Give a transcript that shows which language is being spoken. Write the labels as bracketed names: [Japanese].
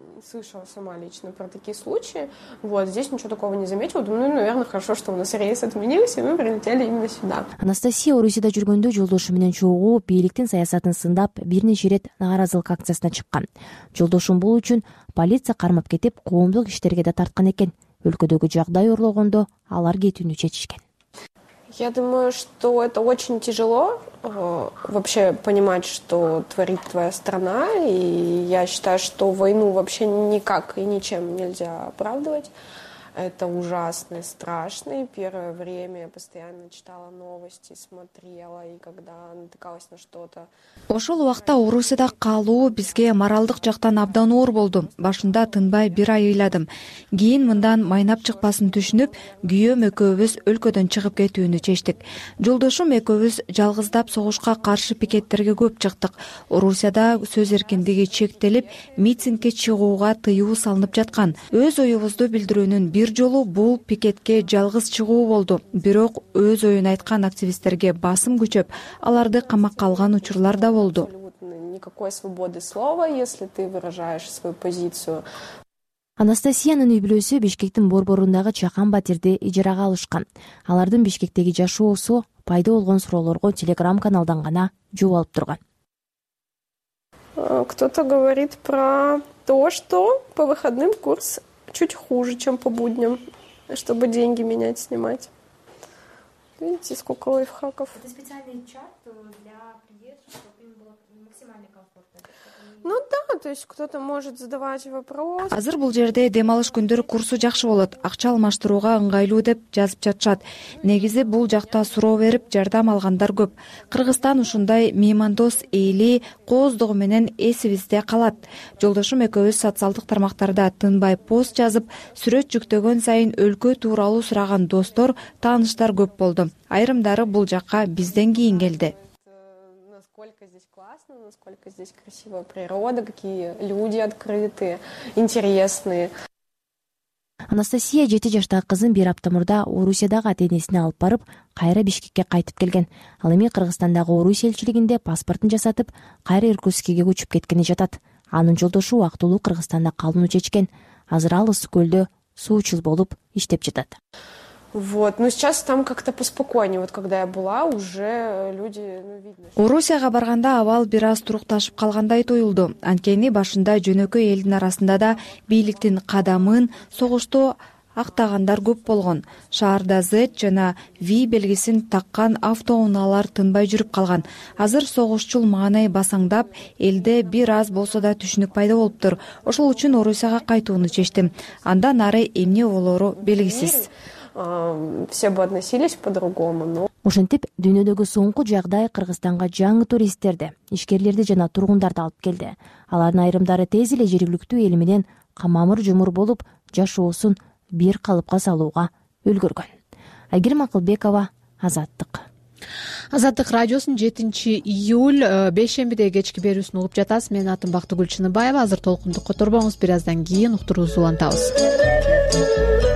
[Russian] Слышала сама лично про такие случаи. Вот здесь ничего такого не заметила. Думаю, ну, наверное, хорошо, что у нас рейс отменился, и мы прилетели именно сюда. [Kyrgyz] Анастасия Орусияда жүргөндө жолдошу менен чогуу бийликтин саясатын сындап, бир нече ирет нааразылык акциясына чыккан. Жолдошун бул үчүн полиция кармап кетип, коомдук иштерге да тарткан экен. Өлкөдөгү жагдай орлогондо алар кетүүнү чечишкен. [Russian] Я думаю, что это очень тяжело вообще понимать, что творит твоя страна. И я считаю, что войну вообще никак и ничем нельзя оправдывать. Это ужасно и страшно. И первое время я постоянно читала новости, смотрела, и когда натыкалась на что-то... [Kyrgyz] Ошол убакта Орусияда калуу бизге моралдык жактан абдан оор болду. Башында тынбай бир ай ыйладым. Кийин мындан майнап чыкпасын түшүнүп, күйөөм экөөбүз өлкөдөн чыгып кетүүнү чечтик. Жолдошум экөөбүз жалгыздап согушка каршы пикеттерге көп чыктык. Орусияда сөз эркиндиги чектелип, митингге чыгууга тыюу салынып жаткан. Өз оюбузду билдирүүнүн бир жолу бул пикетке жалгыз чыгуу болду. Бирок өз оюн айткан активисттерге басым күчөп, аларды камакка алган учурлар да болду. [Russian] Никакой свободы слова, если ты выражаешь свою позицию. [Kyrgyz] Анастасиянын үйлөсү Бишкектин борборундагы Чакан Батирде ижарага алышкан. Алардын Бишкектеги жашоосу пайда болгон суроолорго Telegram каналдан гана жооп алып турган. [Russian] Кто-то говорит про то, что по выходным курс чуть хуже, чем по будням, чтобы деньги менять, снимать. Видите, сколько лайфхаков. Это специальный чат для приезжих, чтобы им было максимально комфортно. Ну да, то есть кто-то может задавать вопрос. [Kyrgyz] Азыр бул жерде демалыш күндөрү курсу жакшы болот. Акча алмаштырууга ыңгайлуу деп жазып жатышат. Негизи бул жакта суроо берип жардам алгандар көп. Кыргызстан ушундай меймандос эли кооздугу менен эсибизде калат. Жолдошум экөөбүз социалдык тармактарда тынбай пост жазып, сүрөт жүктөгөн сайын өлкө тууралуу сураган достор, тааныштар көп болду. Айрымдары бул жакка бизден кийин келди. [Russian] Насколько здесь классно, насколько здесь красивая природа, какие люди открытые, интересные. [Kyrgyz] Анастасия 7 жаштагы кызын бир апта мурда Орусиядагы ата-энесине алып барып, кайра Бишкекке кайтып келген. Ал эми Кыргызстандагы Орус элчилигинде паспортун жасатып, кайра Иркутскиге көчүп кеткени жатат. Анын жолдошу убактылуу Кыргызстанда калууну чечкен. Азыр ал Ысык Көлдө суучул болуп иштеп жатат. [Russian] Вот, но сейчас там как-то поспокойнее. Вот когда я была, уже люди, ну, видно. [Kyrgyz] Орусияга барганда абал бир аз турукташып калгандай тоюлду. Анткени башында жөнөкөй элдин арасында да бийликтин кадамын, согушту актагандар көп болгон. Шаарда Z жана V белгисин таккан автоунаалар тынбай жүрүп калган. Азыр согушчул маанай басаңдап, элде бир аз болсо да түшүнүк пайда болуптур. Ошол үчүн Орусияга кайтууну чечтим. Андан ары эмне болору белгисиз. [Russian] Все бы относились по-другому, но... [Kyrgyz] Ошентип, дүйнөдөгү соңку жагдай Кыргызстанга жаңы туристтерди, ишкерлерди жана тургундарды алып келди. Алардын айрымдары тез эле жергиликтүү эл менен камамыр жумур болуп, жашоосун бир калыпка салууга үлгүргөн. Айгерим Акылбекова, Азаттык. Азаттык радиосун 7-июль бешембиде кечки берүүсүн угуп жатасыз. Менин атым Бактыгүл Чыныбаева. Азыр толкундук которбоңуз, бир аздан кийин уктуруубузду улантабыз.